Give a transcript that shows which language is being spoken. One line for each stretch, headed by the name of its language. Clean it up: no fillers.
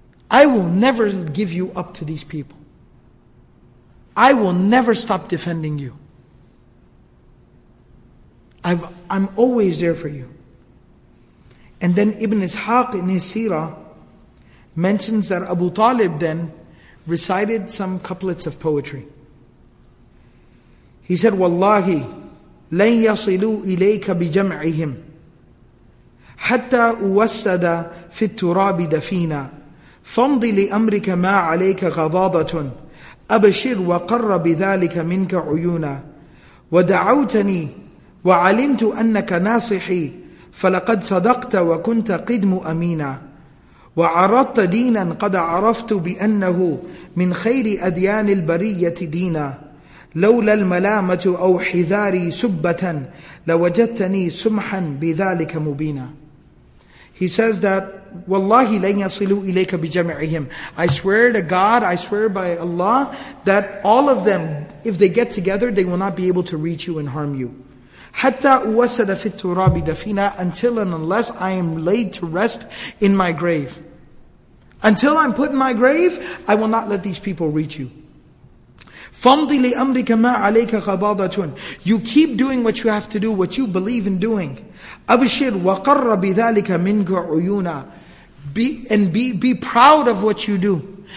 English: I will never give you up to these people. I will never stop defending you. I'm always there for you. And then Ibn Ishaq in his Seerah mentions that Abu Talib then recited some couplets of poetry. He said,
Arabic: وَاللَّهِ لَنْ يَصِلُوا إِلَيْكَ بِجَمْعِهِمْ حَتَّى أُوَسَّدَ فِي التُّرَابِ دَفِينًا فَامْضِ لِأَمْرِكَ مَا عَلَيْكَ غَضَاضَةٌ أَبَشِرْ وَقَرَّ بِذَلِكَ مِنْكَ عُيُونًا وَدَعَوْتَنِي وَعَلِمْتُ أَنَّكَ نَاصِحِي فَلَقَدْ صَدَقْتَ وَكُنْتَ قِدْمُ أَمِينًا وَعَرَضْتَ دِينًا قَدْ عَرَفْتُ بِأَنَّهُ مِنْ خَيْرِ أَدْيَانِ الْبَرِيَّةِ دِينًا لولا الملامة أو حذاري سبة لوجدتني سمحا بذلك مبينا.
English: He says that
Arabic: وَاللَّهِ لَنْ يَصِلُوا إِلَيْكَ بِجَمْعِهِمْ.
English: I swear to God, I swear by Allah that all of them, if they get together, they will not be able to reach you and harm you.
Arabic: حَتَّى أُوَسَّدَ فِي التُّرَابِ دَفِينَا.
English: Until and unless I am laid to rest in my grave. Until I'm put in my grave, I will not let these people reach you.
Arabic: فَمْضِ لِأَمْرِكَ مَا عَلَيْكَ غَضَاضَةٌ.
English: You keep doing what you have to do, what you believe in doing.
Arabic: أَبْشِرْ وَقَرَّ بِذَلِكَ مِنْكَ عُيُونَا.
English: Be proud of what you do.